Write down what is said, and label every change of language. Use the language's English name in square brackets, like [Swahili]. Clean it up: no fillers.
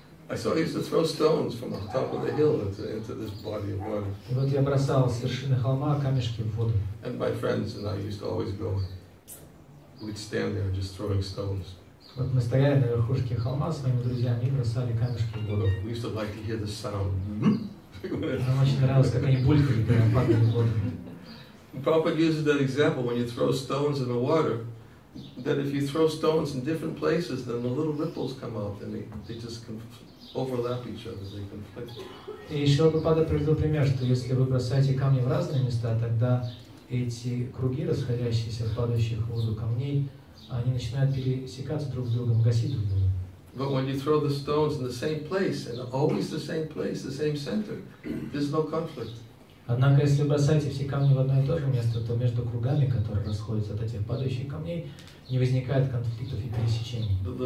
[English] I saw he used to throw stones from the top of the hill into this body of water. [Russian] И вот я бросал с вершины холма камешки в воду. [English] And my friends and I used to always go. We'd stand there just throwing stones. [Russian] Вот мы стояли на верхушке холма с моими друзьями и бросали камешки в воду. [English] We used to like to hear the sound. [Russian] Нам очень нравилось, как они булькали, когда падали в воду. [English] Prabhupada uses that example when you throw stones in the water, that if you throw stones in different places, then the little ripples come out and they just overlap each other, they conflict. [Russian] И еще Прабхупада привел пример, что если вы бросаете камни в разные места, тогда эти круги, расходящиеся от падающих в воду камней, они начинают пересекаться друг с другом, гасить друг друга. [English] But when you throw the stones in the same place, and always the same place, the same center, there's no conflict. [Russian] Однако, если вы бросаете все камни в одно и то же место, то между кругами, которые расходятся от этих падающих камней, не возникает конфликтов и пересечений.